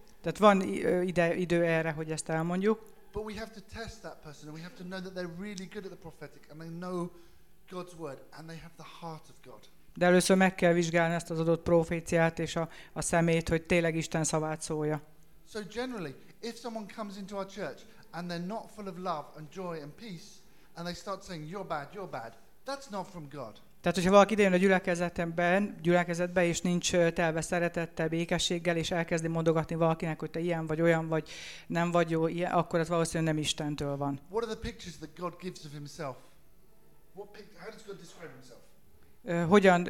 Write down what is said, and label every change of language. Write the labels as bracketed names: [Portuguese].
[Hungarian] Tehát van idő erre, hogy ezt elmondjuk. [English] But we have to test that person, and we have to know that they're really good at the prophetic, and they know God's word, and they have the heart of God. [Hungarian] De először meg kell vizsgálni ezt az adott proféciát és a szemét, hogy tényleg Isten szavát szólja. [English] So generally, if someone comes into our church and they're not full of love and joy and peace, and they start saying, you're bad, that's not from God. [Hungarian] Tehát, hogyha valaki idejön a gyülekezetbe, és nincs telve szeretettel, békességgel, és elkezdi mondogatni valakinek, hogy te ilyen vagy, olyan vagy, nem vagy jó, ilyen, akkor az valószínűleg nem Istentől van. [English] What are the pictures that God gives of himself? How does God describe himself?